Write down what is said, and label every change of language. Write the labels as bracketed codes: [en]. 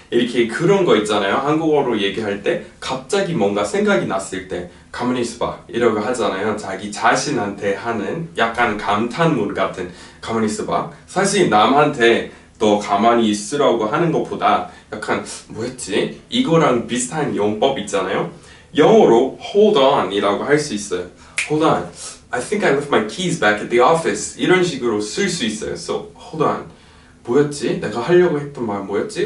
[ko] 이렇게 그런 거 있잖아요. 한국어로 얘기할 때 갑자기 뭔가 생각이 났을 때 가만히 있어봐 이러고 하잖아요. 자기 자신한테 하는 약간 감탄문 같은 가만히 있어봐. 사실 남한테 너 가만히 있으라고 하는 것보다 약간 뭐였지? 이거랑 비슷한 용법 있잖아요. 영어로 hold on 이라고 할 수 있어요. Hold on. [en] I think I left my keys back at the office. [ko] 이런 식으로 쓸 수 있어요. [en] So hold on. 뭐였지? [ko] 내가 하려고 했던 말 뭐였지?